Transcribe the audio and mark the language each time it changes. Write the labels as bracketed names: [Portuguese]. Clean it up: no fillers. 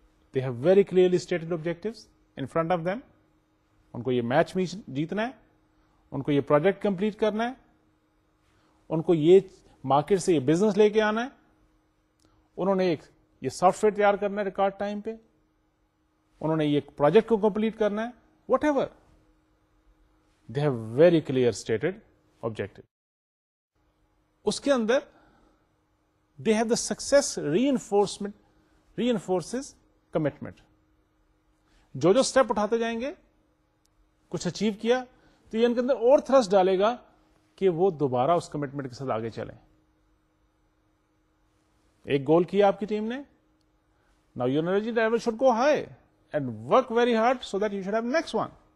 [English] They have very clearly stated objectives in front of them. They have to win this match. They have to complete this project. They have to take this business from the market. They have to prepare this software at record time. Pe. [Urdu] انہوں نے یہ project کو complete کرنا ہے, [English] Whatever they have very clear stated objective. [Urdu] اس کے اندر [English] They have the success reinforces commitment. [Urdu] جو step اٹھاتے جائیں گے, کچھ اچیو کیا تو یہ ان کے اندر اور تھرسٹ ڈالے گا کہ وہ دوبارہ اس کمٹمنٹ کے ساتھ آگے چلیں. ایک گول کیا آپ کی ٹیم نے, [English] Now your energy level should go high and work very hard so that you should have next one.